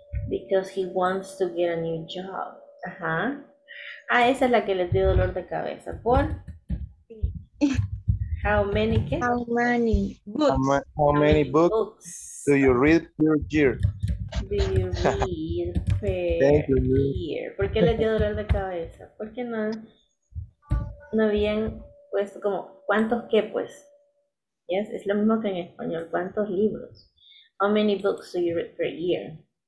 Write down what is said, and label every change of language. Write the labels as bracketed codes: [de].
[en] Because he wants to get a new job. Ajá. [es] Ah, esa es la que les dio dolor de cabeza. [en] ¿Por? How many qué? How many books? How many books do you read per year? Do you read per year? [es] ¿Por qué les dio dolor de cabeza? ¿Por qué no habían puesto como cuántos qué pues? Yes, es lo mismo que en español. ¿Cuántos libros? [en] How many books do you read per year?